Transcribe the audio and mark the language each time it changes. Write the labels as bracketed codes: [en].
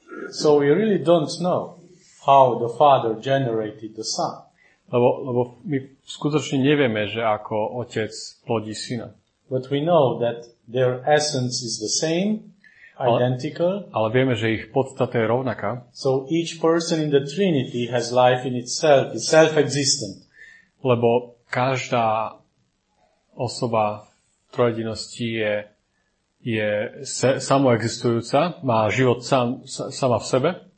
[en] So we really don't know how the Father generated the Son. [sk] Lebo my skutočne nevieme, že ako Otec plodí Syna. [en] But we know that their essence is the same, identical. [sk] Ale vieme, že ich podstata je rovnaká. [en] So each person in the Trinity has life in itself, is self-existent. [sk] Lebo každá osoba trojedinosti je samoexistujúca, má život sama v sebe.